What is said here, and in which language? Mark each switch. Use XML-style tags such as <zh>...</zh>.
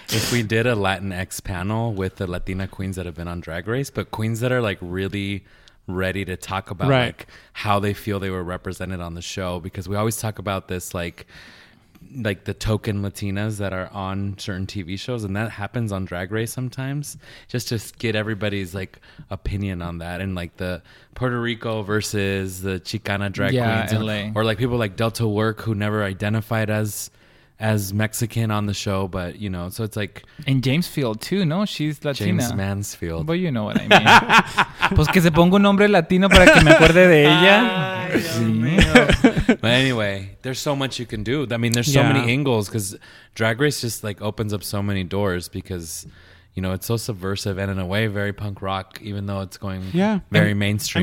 <en>If we did a Latinx panel with the Latina queens that have been on Drag Race, but queens that are like really ready to talk about like how they feel they were represented on the show, because we always talk about this like the token Latinas that are on certain TV shows, and that happens on Drag Race sometimes, just to get everybody's like opinion on that, and like the Puerto Rico versus the Chicana drag queens, LA. Or like people like Delta Work who never identified as Mexican on the show, but you know, so it's like, and James Field too. No, she's Latina. James Mansfield. But you know what I mean.</en> <es>Pues que se ponga un nombre latino para que me acuerde de ella.</es> <en>But anyway, there's so much you can do. I mean, there's so many angles, because Drag Race just like opens up so many doors, because you know it's so subversive and in a way very punk rock, even though it's going very mainstream.</en>